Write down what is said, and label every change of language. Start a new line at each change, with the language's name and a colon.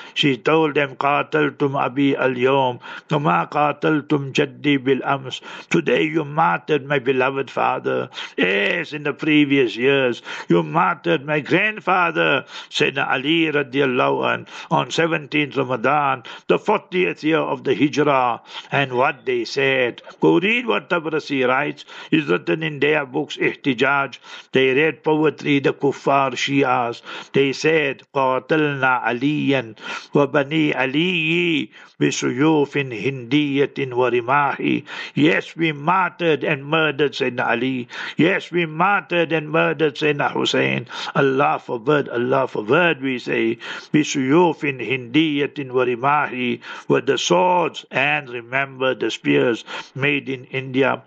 English: She told them, qataltum abi al-yawm kama qataltum jaddi bil-ams, today you martyred my beloved father as in the previous years you martyred my grandfather Sayyidina Ali radiallahu an on 17th Ramadan, the 40th year of the Hijrah. And what they said, go read what Tabrasi writes, is written in their books Ihtijaj. They read poetry, the kuffar Shias. They said, qatalna aliyan wa
Arabic: بني علي بسيوف هندية ورماح.
English: Yes, we martyred and murdered Sayyidina Ali. Yes, we martyred and murdered Sayyidina Hussein. Allah forbid, we say, بسيوف هندية ورماح, with the swords, and remember the spears made in India.